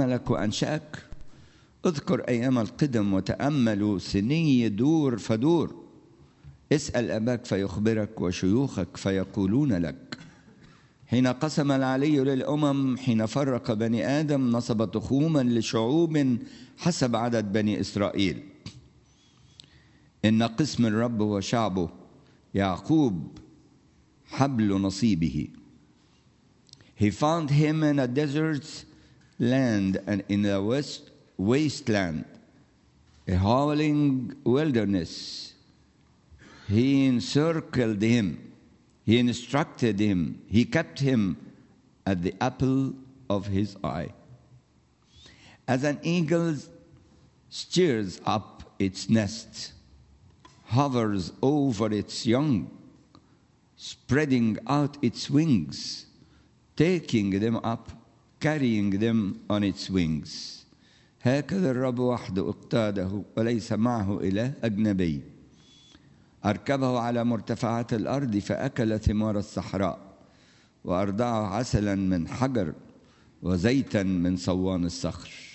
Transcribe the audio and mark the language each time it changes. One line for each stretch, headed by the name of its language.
Arabic: وأنشأك اذكر أيام القدم وتأملوا سني دور فدور اسأل أباك فيخبرك وشيوخك فيقولون لك حين قسم العلي للأمم حين فرق بني آدم نصب تخوما لشعوب حسب عدد بني إسرائيل إن قسم الرب وشعبه يعقوب حبل نصيبه.
English: He found him in a desert land and in a wasteland, a howling wilderness. He encircled him. He instructed him. He kept him at the apple of his eye. As an eagle stirs up its nest, hovers over its young, spreading out its wings, taking them up, carrying them on its wings.
Arabic: هكذا الرب وحده اقتاده وليس معه إله أجنبي. أركبه على مرتفعات الأرض فأكل ثمار الصحراء وأرضعه عسلا من حجر وزيتا من صوان الصخر.